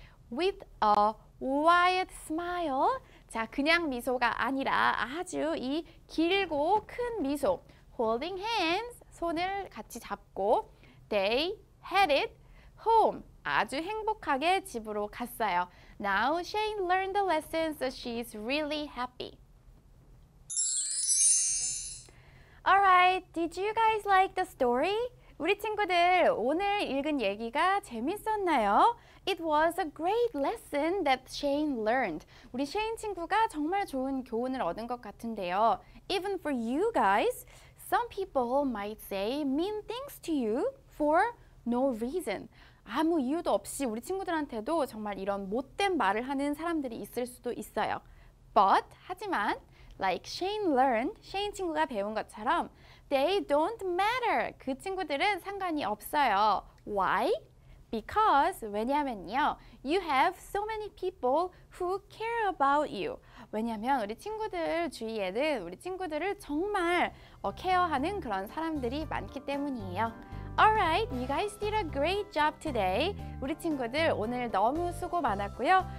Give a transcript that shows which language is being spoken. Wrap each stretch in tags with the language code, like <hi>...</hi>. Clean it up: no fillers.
<en>With a wide smile,</en> <ko>자, 그냥 미소가 아니라 아주 이 길고 큰 미소.</ko> <en>Holding hands,</en> <ko>손을 같이 잡고.</ko> <en>They headed home.</en> <ko>아주 행복하게 집으로 갔어요.</ko> <en>Now Shane learned the lesson, so she's really happy. Alright, did you guys like the story?</en> <ko>우리 친구들, 오늘 읽은 얘기가 재밌었나요?</ko> <en>It was a great lesson that Shane learned.</en> <ko>우리 Shane 친구가 정말 좋은 교훈을 얻은 것 같은데요.</ko> <en>Even for you guys, some people might say mean things to you for no reason.</en> <ko>아무 이유도 없이 우리 친구들한테도 정말 이런 못된 말을 하는 사람들이 있을 수도 있어요.</ko> <en>But,</en> <ko>하지만,</ko> <en>like Shane learned, Shane</en> <ko>친구가 배운 것처럼</ko> <en>they don't matter.</en> <ko>그 친구들은 상관이 없어요.</ko> <en>Why? Because,</en> <ko>왜냐면요.</ko> <en>You have so many people who care about you.</en> <ko>왜냐면 우리 친구들 주위에는 우리 친구들을 정말 케어하는 그런 사람들이 많기 때문이에요.</ko> <en>Alright, you guys did a great job today.</en> <ko>우리 친구들 오늘 너무 수고 많았고요.</ko>